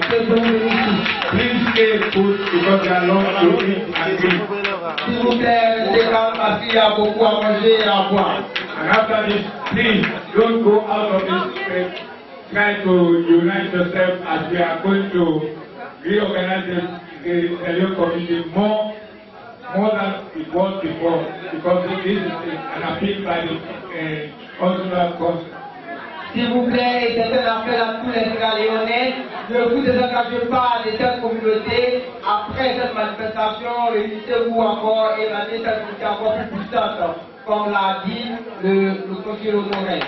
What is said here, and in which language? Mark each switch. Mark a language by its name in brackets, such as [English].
[English] Please stay put because there are lots to eat and drink. [French] S'il vous plaît, restez calme parce qu'il y a beaucoup à manger et à boire. [English] And after this, please don't go out of this place. Try to unite yourself as we are going to reorganize the new committee more than it was before, because this is an appeal by the consular council. [French] S'il vous plaît, et c'est un appel à tous les frères léonais, ne vous désengagez pas de cette communauté. Après cette manifestation, réunissez-vous encore et rendez cette communauté encore plus puissante, comme l'a dit le conseiller honoraire.